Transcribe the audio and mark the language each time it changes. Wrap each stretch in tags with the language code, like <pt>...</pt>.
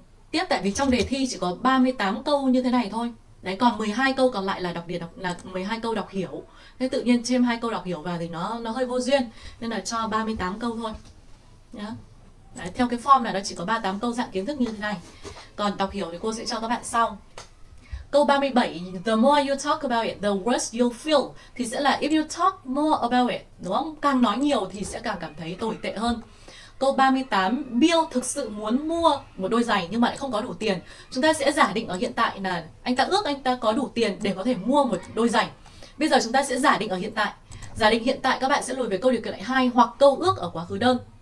<vi>Tiếp, tại vì trong đề thi chỉ có 38 câu như thế này thôi. Đấy, còn 12 câu còn lại là đặc biệt, là 12 câu đọc hiểu. Thế tự nhiên thêm hai câu đọc hiểu vào thì nó hơi vô duyên, nên là cho 38 câu thôi. Nhá. Đấy, theo cái form này nó chỉ có 38 câu dạng kiến thức như thế này. Còn đọc hiểu thì cô sẽ cho các bạn sau. Câu 37,</vi> <en>the more you talk about it, the worse you feel.</en> <vi>Thì sẽ là</vi> <en>if you talk more about it,</en> <vi>đúng không? Càng nói nhiều thì sẽ càng cảm thấy tồi tệ hơn. Câu 38, Bill thực sự muốn mua một đôi giày nhưng mà lại không có đủ tiền. Chúng ta sẽ giả định ở hiện tại là anh ta ước anh ta có đủ tiền để có thể mua một đôi giày. Bây giờ chúng ta sẽ giả định ở hiện tại. Giả định hiện tại các bạn sẽ lùi về câu điều kiện lại 2 hoặc câu ước ở quá khứ đơn.</vi>